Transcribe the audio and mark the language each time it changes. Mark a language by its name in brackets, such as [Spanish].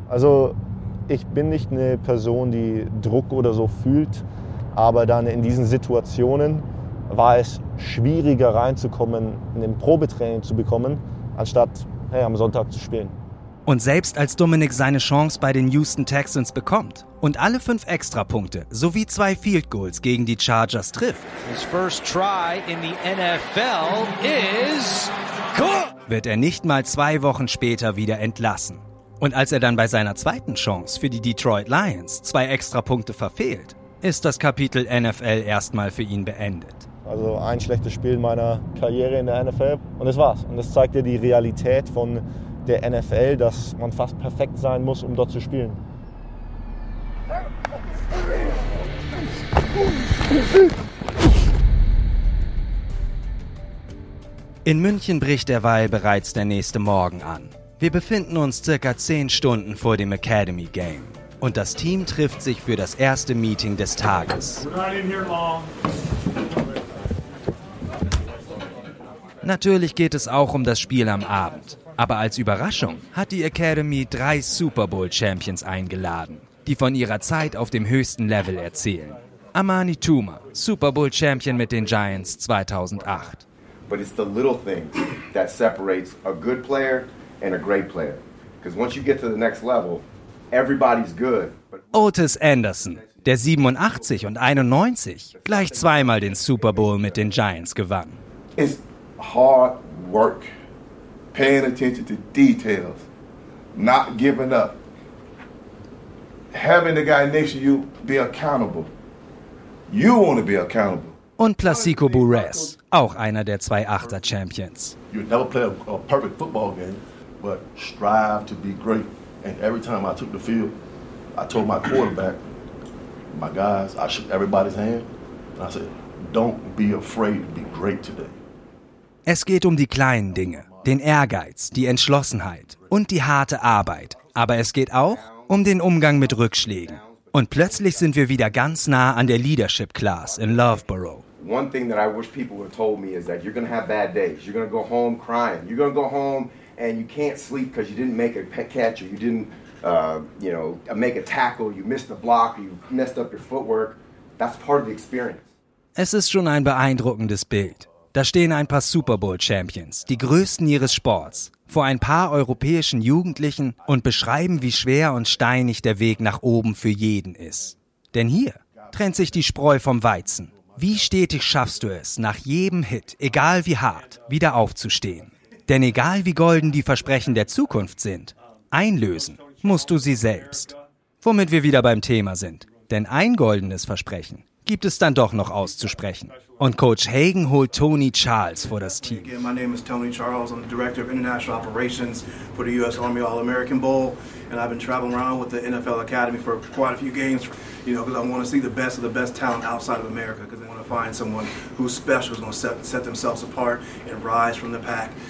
[German] Also ich bin nicht eine Person, die Druck oder so fühlt, aber dann in diesen Situationen war es schwieriger reinzukommen, ein Probetraining zu bekommen, anstatt hey, am Sonntag zu spielen. Und selbst als Dominik seine Chance bei den Houston Texans bekommt und alle 5 Extrapunkte sowie 2 Field Goals gegen die Chargers trifft, [English] his first try in the NFL is good, [German] wird er nicht mal 2 Wochen später wieder entlassen. Und als er dann bei seiner zweiten Chance für die Detroit Lions 2 Extrapunkte verfehlt, ist das Kapitel NFL erstmal für ihn beendet. Also ein schlechtes Spiel meiner Karriere in der NFL und das war's. Und das zeigt dir die Realität von der NFL, dass man fast perfekt sein muss, um dort zu spielen. In München bricht derweil bereits der nächste Morgen an. Wir befinden uns circa 10 Stunden vor dem Academy Game. Und das Team trifft sich für das erste Meeting des Tages. Natürlich geht es auch um das Spiel am Abend. Aber als Überraschung hat die Academy 3 Super Bowl Champions eingeladen, die von ihrer Zeit auf dem höchsten Level erzählen. Amani Toomer, Super Bowl Champion mit den Giants 2008. [English] But it's the little things that separates a good player and a great player. Because once you get to the next level, everybody's good. [German] Otis Anderson, der 87 und 91 gleich 2-mal den Super Bowl mit den Giants gewann. [English] It's hard work. Paying attention to details, not giving up, having the guy next to you be accountable. You want to be accountable. [German] Und Plácido Burress, auch einer der 2-8er Champions. [English] You'll never play a perfect football game, but strive to be great. And every time I took the field, I told my quarterback, my guys, I shook everybody's hand, and I said, don't be afraid to be great today. [German] Es geht um die kleinen Dinge. Den Ehrgeiz, die Entschlossenheit und die harte Arbeit. Aber es geht auch um den Umgang mit Rückschlägen. Und plötzlich sind wir wieder ganz nah an der Leadership Class in Loveboro. [English] One thing that I wish people would have told me is that you're gonna have bad days. You're gonna go home crying. You're gonna go home and you can't sleep because you didn't make a catch or you didn't, you know, make a tackle. You missed a block. You messed up your footwork. That's part of the experience. [German] Es ist schon ein beeindruckendes Bild. Da stehen ein paar Super Bowl Champions, die größten ihres Sports, vor ein paar europäischen Jugendlichen und beschreiben, wie schwer und steinig der Weg nach oben für jeden ist. Denn hier trennt sich die Spreu vom Weizen. Wie stetig schaffst du es, nach jedem Hit, egal wie hart, wieder aufzustehen? Denn egal wie golden die Versprechen der Zukunft sind, Einlösen musst du sie selbst. Womit wir wieder beim Thema sind. Denn ein goldenes Versprechen gibt es dann doch noch auszusprechen. Und Coach Hagen holt Tony Charles vor das Team. [English] My name is Tony Charles. I'm the Director of International Operations for the U.S. Army All-American Bowl. And I've been traveling around with the NFL Academy for quite a few games, you know, because I want to see the best of the best talent outside of America, because I want to find someone who's special, who's going to set themselves apart and rise from the pack.